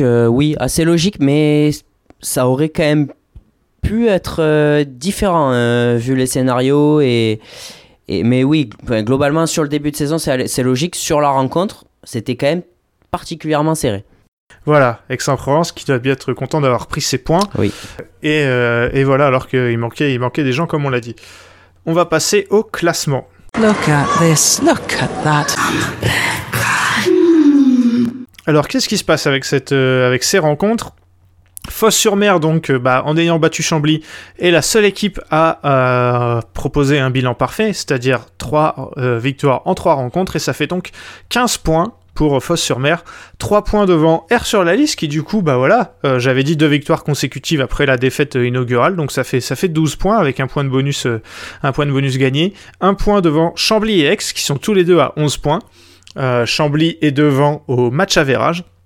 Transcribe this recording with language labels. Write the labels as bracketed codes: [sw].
[fr] Oui, assez logique, mais ça aurait quand même pu être différent vu les scénarios mais globalement sur le début de saison c'est logique, sur la rencontre c'était quand même particulièrement serré. Voilà, Aix-en-Provence qui doit bien être content d'avoir pris ses points. Oui. Et voilà, alors qu'il manquait des gens comme on l'a dit. On va passer au classement. [en] Look at this, look at that. [fr] Alors qu'est-ce qui se passe avec ces rencontres? Fos-sur-Mer, donc, en ayant battu Chambly, est la seule équipe à proposer un bilan parfait, c'est-à-dire 3 victoires en 3 rencontres, et ça fait donc 15 points pour Fos-sur-Mer, 3 points devant R-sur-la-Lys, qui du coup, j'avais dit 2 victoires consécutives après la défaite inaugurale, donc ça fait 12 points avec un point de bonus gagné, 1 point devant Chambly et Aix, qui sont tous les deux à 11 points, Chambly est devant au match average.